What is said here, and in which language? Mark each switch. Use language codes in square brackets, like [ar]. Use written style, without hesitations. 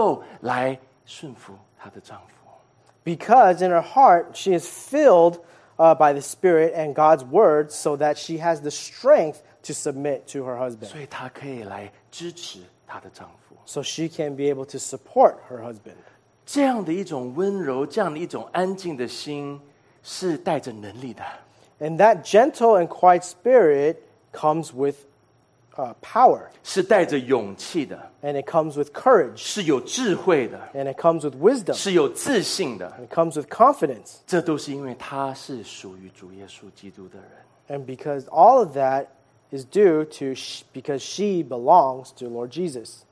[zh] 她因为在灵里面，在心中被主充满，被圣灵、被神的话充满，所以她能够来顺服她的丈夫。 [en] Because in her heart, she is filled by the Spirit and God's Word, so that she has the strength to submit to her husband. [zh] 所以她可以来支持她的丈夫。 [en] So she can be able to support her husband. [zh] 这样的一种温柔，这样的一种安静的心，是带着能力的。 [en] And that gentle and quiet spirit comes with power. [zh] 是带着勇气的。 [en] And it comes with courage. [zh] 是有智慧的。 [en] And it comes with wisdom. [zh] 是有自信的。 [en] And it comes with confidence. [zh] 这都是因为她是属于主耶稣基督的人。 [en] And because all of that is due to because she belongs to Lord Jesus.